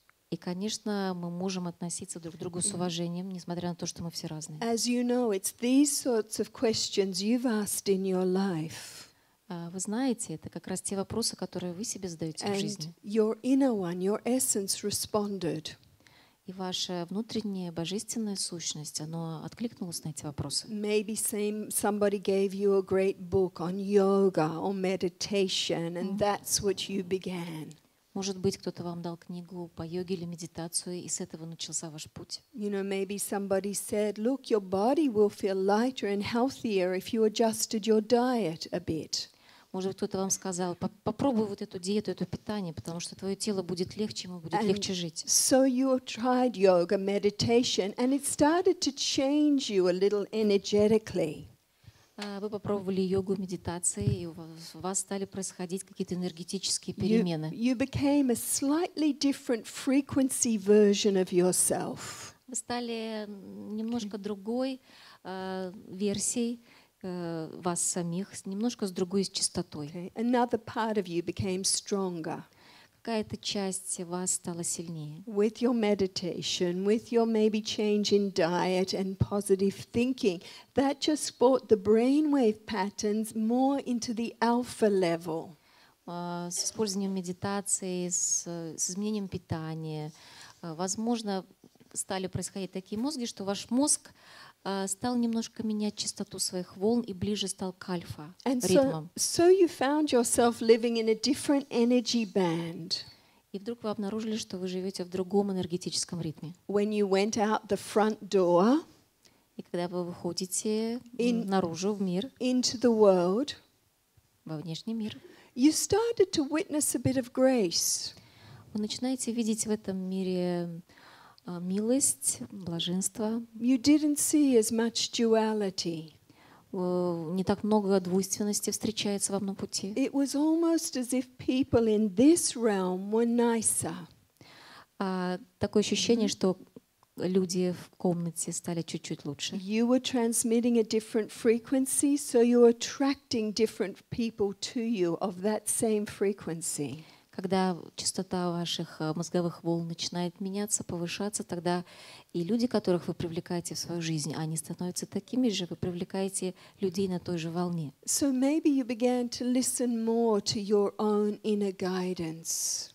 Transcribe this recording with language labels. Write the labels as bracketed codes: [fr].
[ru] И, конечно, мы можем относиться друг к другу с уважением, несмотря на то, что мы все разные. [en] As you know, it's these sorts of questions you've asked in your life. [ru] Вы знаете, это как раз те вопросы, которые вы себе задаете в жизни. [en] And your inner one, your essence responded. [ru] И ваша внутренняя божественная сущность, она откликнулась на эти вопросы. [en] Maybe somebody gave you a great book on yoga or meditation, and that's what you began. [ru] Может быть, кто-то вам дал книгу по йоге или медитации, и с этого начался ваш путь. [en] You know, maybe somebody said, "Look, your body will feel lighter and healthier if you adjusted your diet a bit." [ru] Может, кто-то вам сказал, попробуй вот эту диету, это питание, потому что твое тело будет легче, ему будет легче жить. [en] So you tried yoga, meditation, and it started to change you a little energetically. [ru] Вы попробовали йогу, медитации, и у вас стали происходить какие-то энергетические перемены. [en] You became a slightly different frequency version of yourself. [ru] Вы стали немножко другой версией вас самих немножко с другой чистотой. [en] Okay. Another part of you became stronger. [ru] Какая-то часть вас стала сильнее. [en] With your meditation, with your maybe change in diet and positive thinking, that just brought the brainwave patterns more into the alpha level. [ru] С использованием медитации, с изменением питания, возможно, стали происходить такие мозги, что ваш мозг стал немножко менять частоту своих волн и ближе стал к альфа ритмам. [en] So you found yourself living in a different energy band. [ru] И вдруг вы обнаружили, что вы живете в другом энергетическом ритме. [en] When you went out the front door, [ru] и когда вы выходите наружу в мир, [en] into the world, [ru] во внешний мир, [en] you started to witness a bit of grace. [ru] Вы начинаете видеть в этом мире милость, блаженство. [en] You didn't see as much duality. [ru] Не так много двойственности встречается вам на пути. [en] It was almost as if people in this realm were nicer. [ru] Такое ощущение, что люди в комнате стали чуть-чуть лучше. [en] You were transmitting a different frequency, so you're attracting different people to you of that same frequency. [ru] Когда частота ваших мозговых волн начинает меняться, повышаться, тогда и люди, которых вы привлекаете в свою жизнь, они становятся такими же, вы привлекаете людей на той же волне. [en] So maybe you began to listen more to your own inner guidance.